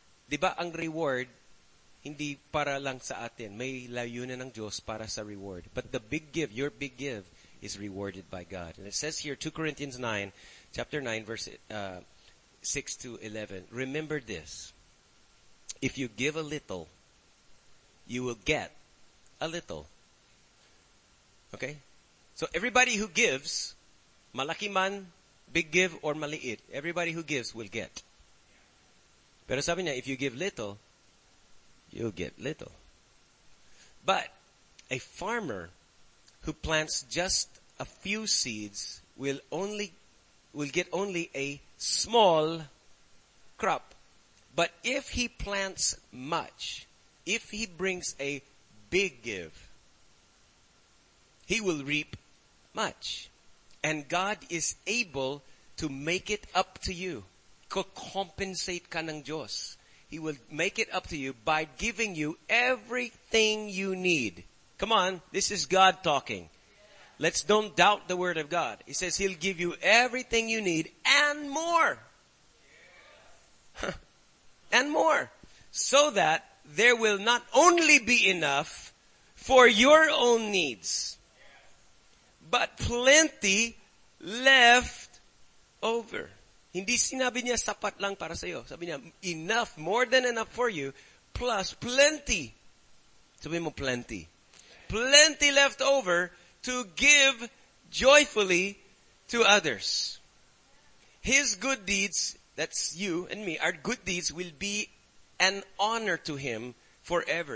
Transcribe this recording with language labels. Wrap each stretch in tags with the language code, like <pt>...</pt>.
<tl>Diba ang reward hindi para lang sa atin. May layunin ng Diyos para sa reward.</tl> <en>But the big give, your big give, is rewarded by God. And it says here, 2 Corinthians 9, chapter 9, verse 6 to 11. Remember this. If you give a little, you will get a little. Okay? So everybody who gives,</en> <tl>malaki man,</tl> <en>big give,</en> <tl>or maliit,</tl> <en>everybody who gives will get.</en> <tl>Pero sabi niya,</tl> <en>if you give little, you'll get little. But a farmer who plants just a few seeds will get only a small crop. But if he plants much, if he brings a big give, he will reap much. And God is able to make it up to you.</en> <tl>Kukompensate ka ng Diyos.</tl> <en>He will make it up to you by giving you everything you need. Come on, this is God talking. Let's don't doubt the word of God. He says he'll give you everything you need and more. And more. So that there will not only be enough for your own needs, but plenty left over.</en> <tl>Hindi sinabi niya sapat lang para sa iyo. Sabi niya,</tl> <en>enough, more than enough for you, plus plenty.</en> <tl>Sabi mo</tl> <en>plenty. Plenty left over to give joyfully to others. His good deeds, that's you and me, our good deeds will be an honor to him forever.</en>